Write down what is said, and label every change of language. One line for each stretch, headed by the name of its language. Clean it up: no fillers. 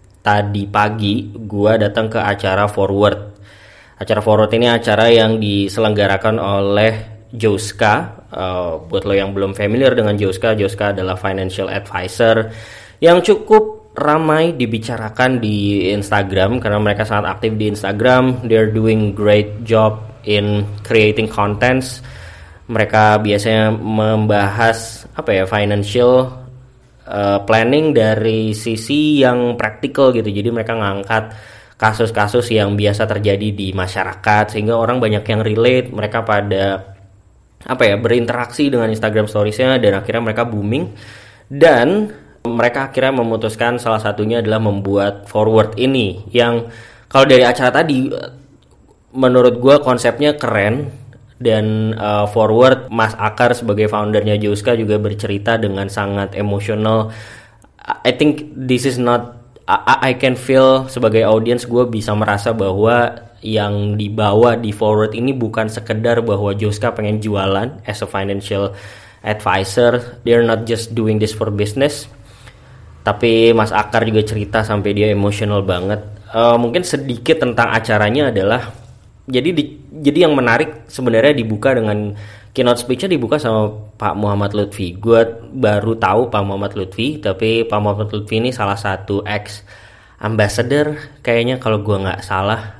Indonesian: Tadi pagi gue datang ke acara Forward. Acara Forward ini acara yang diselenggarakan oleh Jouska. Buat lo yang belum familiar dengan Jouska, Jouska adalah financial advisor yang cukup ramai dibicarakan di Instagram karena mereka sangat aktif di Instagram.
English: They're doing great job in creating contents.
Indonesian: Mereka biasanya membahas apa ya, financial planning dari sisi yang praktikal gitu. Jadi mereka ngangkat kasus-kasus yang biasa terjadi di masyarakat sehingga orang banyak yang relate. Mereka pada apa ya, berinteraksi dengan Instagram storiesnya dan akhirnya mereka booming. Dan mereka akhirnya memutuskan salah satunya adalah membuat Forward ini. Yang kalau dari acara tadi, menurut gue konsepnya keren. Dan Forward, Mas Akar sebagai foundernya Jouska juga bercerita dengan sangat emosional.
English: I think this is not, I can feel
Indonesian: sebagai audience, gue bisa merasa bahwa yang dibawa di Forward ini bukan sekedar bahwa Jouska pengen jualan as a financial advisor.
English: They're not just doing this for business.
Indonesian: Tapi Mas Akar juga cerita sampai dia emosional banget. Mungkin sedikit tentang acaranya adalah, Jadi yang menarik sebenarnya dibuka dengan keynote speech-nya dibuka sama Pak Muhammad Lutfi. Gue baru tahu Pak Muhammad Lutfi, tapi Pak Muhammad Lutfi ini salah satu ex ambassador kayaknya kalau gue nggak salah.